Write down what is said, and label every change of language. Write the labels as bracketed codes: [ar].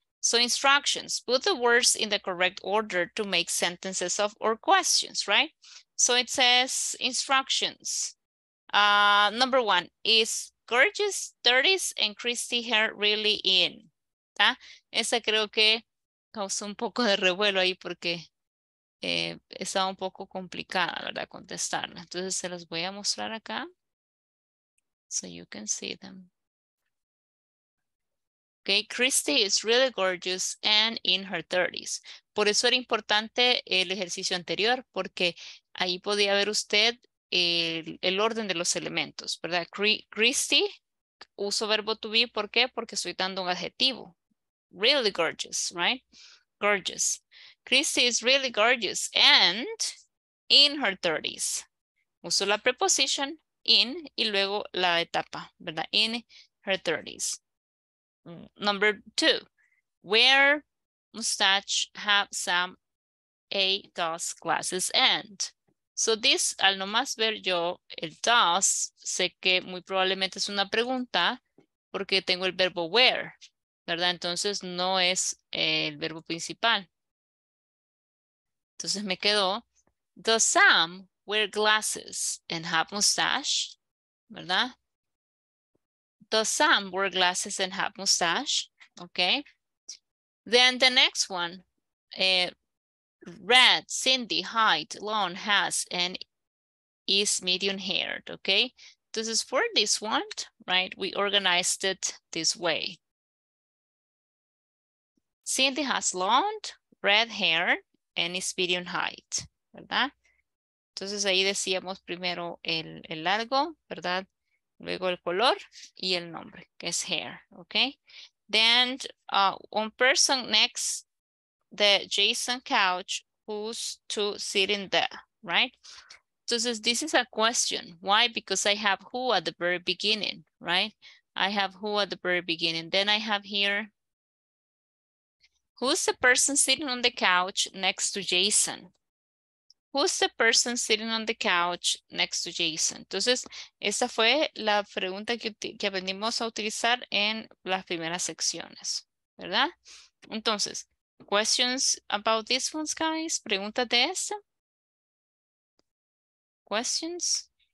[en] So instructions, put the words in the correct order to make sentences of or questions, right? So it says instructions. Number one, is Gorgeous 30s and Christy hair really in? [es] ¿Tá? Esa creo que causó un poco de revuelo ahí porque estaba un poco complicada, ¿verdad? Contestarla. Entonces se las voy a mostrar acá. [en] So you can see them. Okay, Christy is really gorgeous and in her 30s. [es] Por eso era importante el ejercicio anterior, porque ahí podía ver usted el orden de los elementos, ¿verdad? Christy, uso verbo to be, ¿por qué? Porque estoy dando un adjetivo. [en] Really gorgeous, right? Gorgeous. Christy is really gorgeous and in her 30s. [es] Uso la preposición in y luego la etapa, ¿verdad? [en] In her 30s. Number two, wear mustache, have some a does glasses and. So this, [es] al nomás ver yo el does, sé que muy probablemente es una pregunta porque tengo el verbo wear, ¿verdad? Entonces no es el verbo principal. Entonces me quedó, [en] does Sam wear glasses and have mustache? [es] ¿Verdad? [en] Does Sam wear glasses and have mustache? Okay. Then the next one, red, Cindy, height, long, has, and is medium haired. Okay. This is for this one, right? We organized it this way. Cindy has long, red hair, and is medium height. [es] ¿Verdad? Entonces ahí decíamos primero el largo, ¿verdad? Luego el color y el nombre, que es hair, okay? [en] Then one person next, the Jason couch, who's to sit in there, right? [es] Entonces [en] this is a question. Why? Because I have who at the very beginning, right? I have who at the very beginning. Then I have here, who's the person sitting on the couch next to Jason? Who's the person sitting on the couch next to Jason? [es] Entonces, esa fue la pregunta que aprendimos a utilizar en las primeras secciones, ¿verdad? Entonces, [en] questions about these ones, guys? [es] ¿Preguntas de esta? [en] Questions?